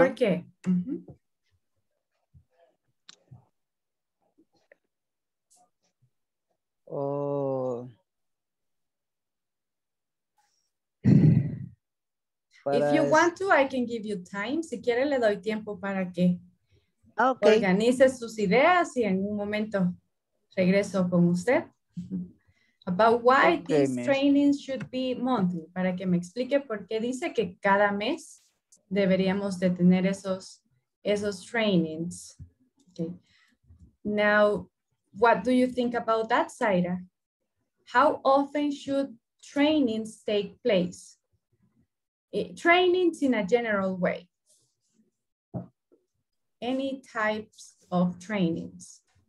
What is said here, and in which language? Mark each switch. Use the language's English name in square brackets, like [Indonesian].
[Spanish] ¿por qué? Mm-hmm. [English] If you want to, I can give you time. [Spanish] Si quiere, le doy tiempo para que okay. organice sus ideas y en un momento regreso con usted. [English] About why okay, these miss. Trainings should be monthly. [Spanish] Para que me explique por qué dice que cada mes deberíamos de tener esos trainings. Okay. [English] Now, what do you think about that, Zaira? How often should trainings take place? Trainings in a general way. Any types of trainings?